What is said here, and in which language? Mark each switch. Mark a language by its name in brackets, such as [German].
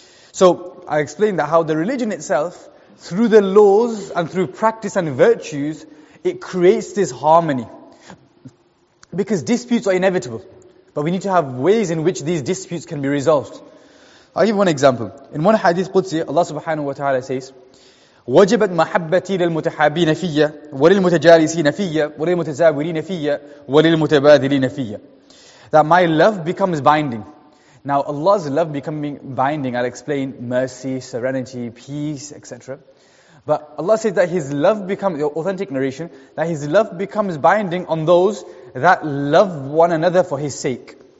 [English] So I explained that how the religion itself, through the laws and through practice and virtues, it creates this harmony. Because disputes are inevitable. But we need to have ways in which these disputes can be resolved. I'll give one example. In one hadith Qudsi, Allah subhanahu wa ta'ala says, [Arabic] وجبت محبتي للمتحابين فيا وللمتجالسين فيا وللمتزاورين فيا وللمتبادلين فيا. [English] That my love becomes binding. Now Allah's love becoming binding, I'll explain mercy, serenity, peace, etc. But Allah says that His love becomes, authentic narration, that His love becomes binding on those that love one another for His sake.